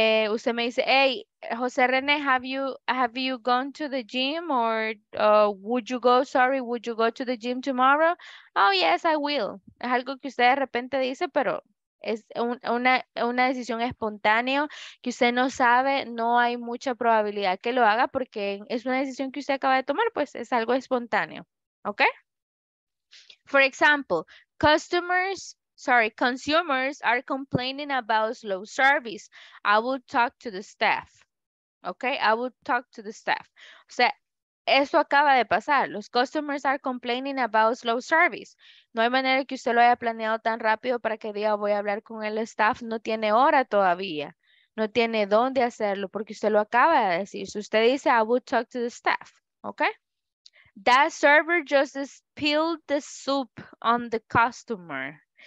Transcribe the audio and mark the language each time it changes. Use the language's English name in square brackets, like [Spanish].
[Spanish] Usted me dice, [English] hey, José René, have you gone to the gym or would you go to the gym tomorrow? Oh, yes, I will. [Spanish] Es algo que usted de repente dice, pero es una decisión espontánea que usted no sabe, no hay mucha probabilidad que lo haga porque es una decisión que usted acaba de tomar, pues es algo espontáneo, ¿ok? [English] For example, consumers are complaining about slow service. I will talk to the staff. Okay, I will talk to the staff. [Spanish] O sea, eso acaba de pasar. Los customers [English] are complaining about slow service. [Spanish] No hay manera que usted lo haya planeado tan rápido para que diga voy a hablar con el staff. No tiene hora todavía. No tiene dónde hacerlo porque usted lo acaba de decir. Si usted dice, [English] I will talk to the staff. Okay. That server just spilled the soup on the customer.